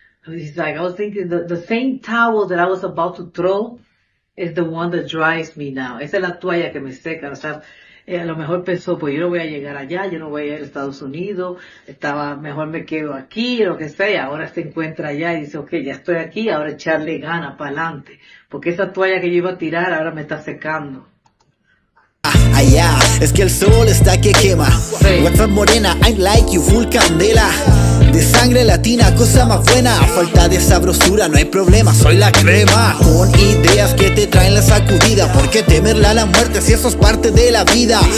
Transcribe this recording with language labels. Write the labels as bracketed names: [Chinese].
[English] He's like, I was thinking, the same towel that I was about to throw is the one that dries me now. [Spanish] Esa es la toalla que me seca, o sea, A lo mejor pensó, pues yo no voy a llegar allá, yo no voy a ir a Estados Unidos, estaba mejor me quedo aquí, lo que sea. Ahora se encuentra allá y dice, ok, ya estoy aquí, ahora echarle ganas para adelante, porque esa toalla que yo iba a tirar ahora me está secando. Allá, es que el sol está que quema. [English] What's up, morena, I like you, full candela. [Spanish] De sangre latina, cosa más buena. A falta de sabrosura, no hay problema, soy la crema. Con ideas que te traen la sacudida. ¿Por qué temerle a la muerte si eso es parte de la vida?